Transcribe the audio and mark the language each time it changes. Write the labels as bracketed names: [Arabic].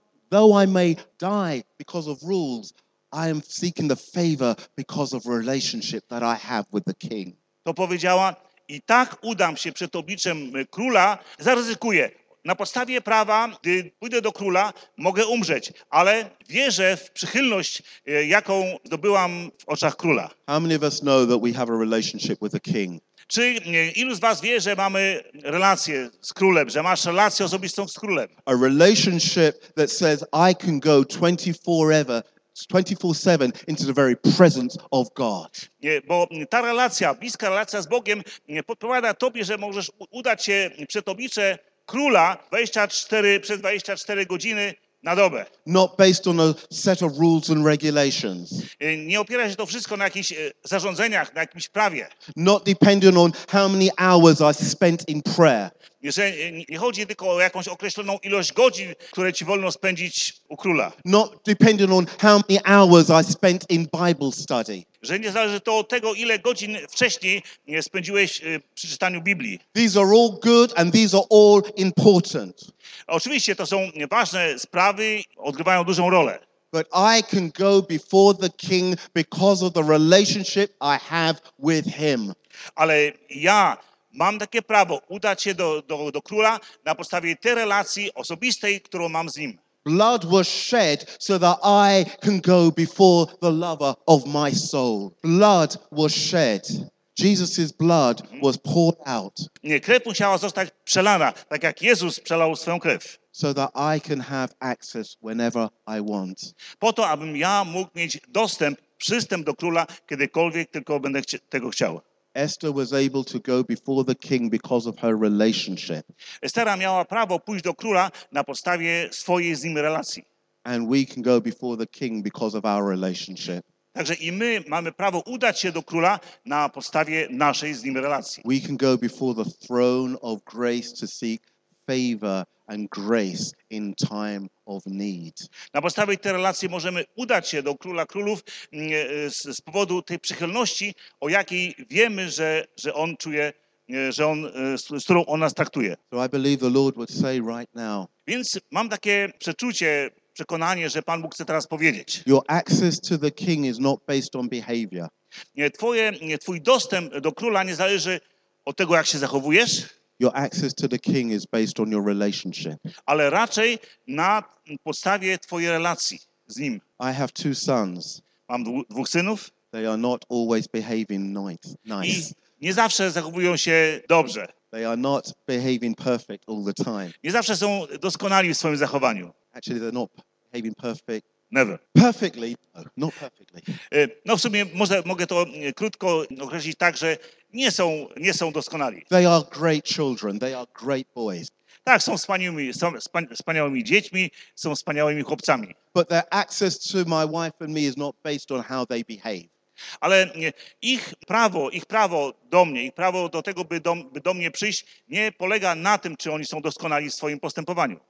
[English] Though I may die because of rules, I am seeking the favor because of relationship that I have with the king. [Polish] To powiedziała, i tak udam się przed obliczem króla, zaryzykuję. Na podstawie prawa, gdy pójdę do króla, mogę umrzeć, ale wierzę w przychylność, jaką zdobyłam w oczach króla. [English] How many of us know that we have a relationship with the king? [Polish] Czy ilu z was wie, że mamy relację z królem, że masz relację osobistą z królem? [English] A relationship that says I can go 24/7 into the very presence of God. [Polish] Nie, bo ta relacja, bliska relacja z Bogiem, podpowiada tobie, że możesz udać się przed oblicze króla 24 przez 24 godziny na dobę. [English] Not based on a set of rules and regulations. [Polish] Nie opiera się to wszystko na jakichś zarządzeniach, na jakimś prawie. [English] Not depending on how many hours I spent in prayer. [Polish] Nie chodzi tylko o jakąś określoną ilość godzin, które ci wolno spędzić u króla. [English] Not depending on how many hours I spent in Bible study. [Polish] Że nie zależy to od tego, ile godzin wcześniej spędziłeś przy czytaniu Biblii. [English] These are all good and these are all important. [Polish] Oczywiście to są ważne sprawy, odgrywają dużą rolę. [English] But I can go before the king because of the relationship I have with him. [Polish] Ale ja mam takie prawo udać się do króla na podstawie tej relacji osobistej, którą mam z nim. [English] Blood was shed so that I can go before the lover of my soul. Blood was shed. Jesus's blood was poured out. [Polish] Nie, krew musiała zostać przelana, tak jak Jezus przelał swoją krew. [English] So that I can have access whenever I want. [Polish] Po to, abym ja mógł mieć dostęp, przystęp do króla, kiedykolwiek tylko będę tego chciał. [English] Esther was able to go before the king because of her relationship. [Polish] Estera miała prawo pójść do króla na podstawie swojej z nim relacji. [English] And we can go before the king because of our relationship. [Polish] Także i my mamy prawo udać się do króla na podstawie naszej z nim relacji. [English] We can go before the throne of grace to seek favor and grace in time of need. [Polish] Na podstawie tej relacji możemy udać się do Króla Królów z powodu tej przychylności, o jakiej wiemy, że on czuje, że on, z którą on nas traktuje. [English] So I believe the Lord would say right now, [Polish] więc mam takie przeczucie, przekonanie, że Pan Bóg chce teraz powiedzieć. [English] Your access to the king is not based on behavior. [Polish] Twój dostęp do króla nie zależy od tego, jak się zachowujesz. [English] Your access to the king is based on your relationship. [Polish] Ale raczej na podstawie twojej relacji z nim. [English] I have two sons. [Polish] Mam dwóch synów. [English] They are not always behaving nice. [Polish] I nie zawsze zachowują się dobrze. [English] They are not behaving perfect all the time. [Polish] Nie zawsze są doskonali w swoim zachowaniu. [English] Actually, they're not behaving perfect. Never. Perfectly. No, not perfectly. [Polish] No w sumie mogę to krótko określić tak, że nie są doskonali. [English] They are great children. They are great boys. [Polish] Tak, są wspaniałymi dziećmi, są wspaniałymi chłopcami. [English] But their access to my wife and me is not based on how they behave. [Polish] Ale ich prawo do mnie, ich prawo do tego, by do mnie przyjść, nie polega na tym, czy oni są doskonali w swoim postępowaniu.